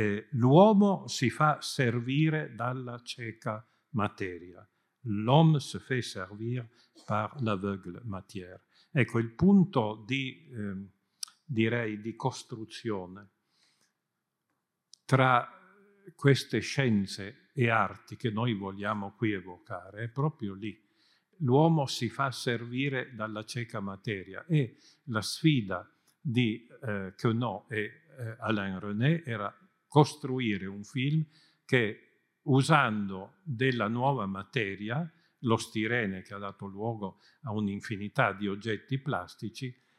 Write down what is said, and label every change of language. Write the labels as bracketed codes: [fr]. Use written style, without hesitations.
[it] L'uomo si fa servire dalla cieca materia. [fr] l'homme se fait servir par l'aveugle matière. [it] Ecco, il punto di, direi, di costruzione tra queste scienze e arti che noi vogliamo qui evocare è proprio lì. L'uomo si fa servire dalla cieca materia e la sfida di Queneau e Alain René era costruire un film che, usando della nuova materia, lo stirene che ha dato luogo a un'infinità di oggetti plastici,